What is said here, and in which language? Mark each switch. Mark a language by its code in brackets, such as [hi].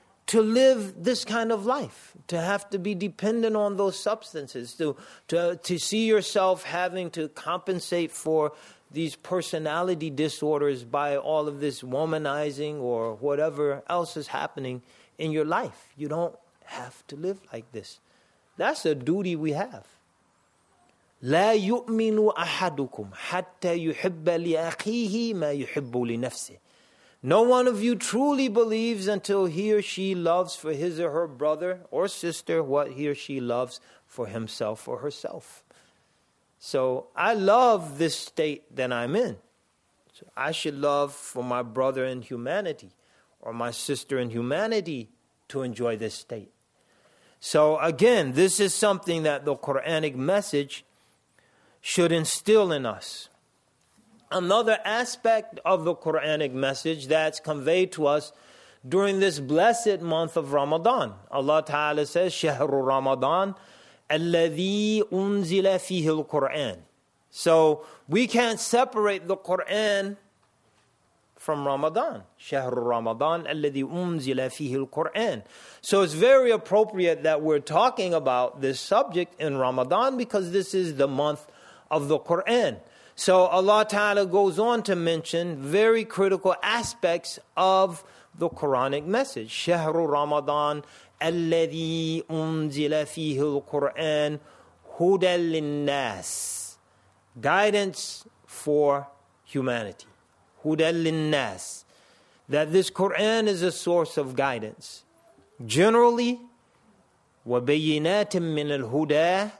[en] to live this kind of life, to have to be dependent on those substances, to see yourself having to compensate for these personality disorders by all of this womanizing or whatever else is happening in your life. You don't have to live like this. That's a duty we have. [ar] لا يؤمن أحدكم حتى يحب لأخيه ما يحب لنفسه. [en] No one of you truly believes until he or she loves for his or her brother or sister what he or she loves for himself or herself. So I love this state that I'm in. So I should love for my brother in humanity or my sister in humanity to enjoy this state. So again, this is something that the Quranic message should instill in us. Another aspect of the Quranic message that's conveyed to us during this blessed month of Ramadan. Allah Ta'ala says, [ar] شهر رمضان الذي أنزل فيه القرآن. [en] So we can't separate the Quran from Ramadan. [ar] شهر رمضان الذي أنزل فيه القرآن. [en] So it's very appropriate that we're talking about this subject in Ramadan because this is the month of the Quran. So Allah Ta'ala goes on to mention very critical aspects of the Quranic message. [ar] شهر رمضان الذي أنزل فيه القرآن هدى للناس. [en] Guidance for humanity. [ar] هدى للناس. [en] That this Quran is a source of guidance. Generally, [ar] وبينات من الهدى.